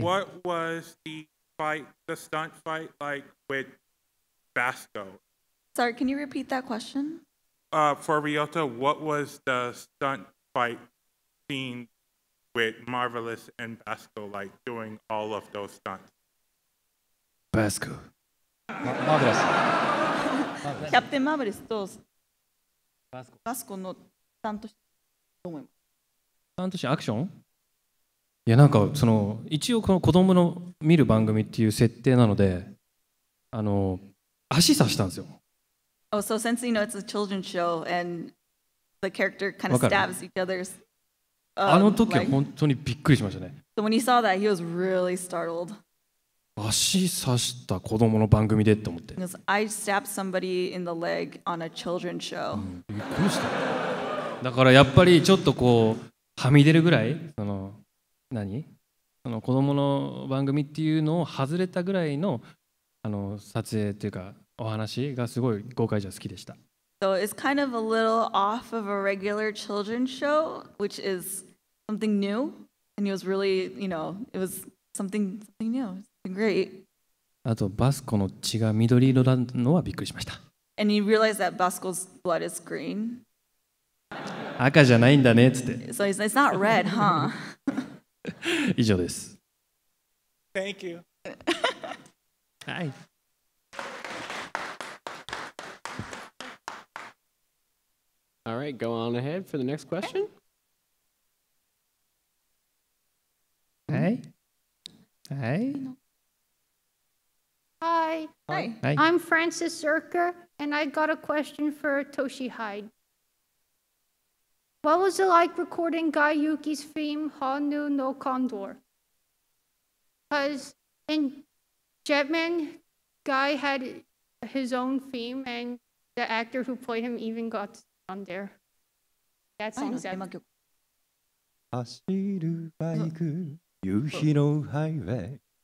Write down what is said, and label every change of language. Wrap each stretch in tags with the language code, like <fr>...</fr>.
<en>What was the fight, the stunt fight like with Vasco? Sorry, can you repeat that question? For Ryota, what was the stunt fight scene with Marvelous and Vasco like doing all of those stunts? Vasco.</en> <ja>マーベラス。キャプテン・マーベラスとバスコの担当してどう思います？担当してアクション？いやなんかその一応この子供の見る番組っていう設定なのであの足刺したんですよ。</ja> <en>Oh, so since you know it's a children's show and the character kind of stabs each other's.</en> <ja>あの時は本当にびっくりしましたね。</ja> <en>So when he saw that, he was really startled.</en> <ja>足刺した子供の番組でって思って。</ja> <en>Because I stabbed somebody in the leg on a children's show.</en> <ja>びっくりした。だからやっぱりちょっとこうはみ出るぐらいその何その子供の番組っていうのを外れたぐらいのあの撮影っていうかお話がすごい豪快じゃ好きでした。</ja> <en>So it's kind of a little off of a regular children's show, which is something new, and it was really, you know, it was something new. Great.</en> <ja>あとバスコの血が緑色なのはびっくりしました。</ja> <en>And you realize that Basco's blood is green?</en> <ja>赤じゃないんだねっつって。</ja> <en>So it's not red, huh?</en> <ja>以上です。</ja> <en>Thank you.</en> <ja>はい。</ja> <en>All right, go on ahead for the next question.</en> <ja>はい。はい。</ja> <en>Hi. Hi. I'm Frances Zerker, and I got a question for Toshi Hyde. What was it like recording Guy Yuki's theme, Honu no Condor? Because in Jetman, Guy had his own theme, and the actor who played him even got on there. That song's out.</en> <ja>走るバイク、夕日のハイウェイ。</ja>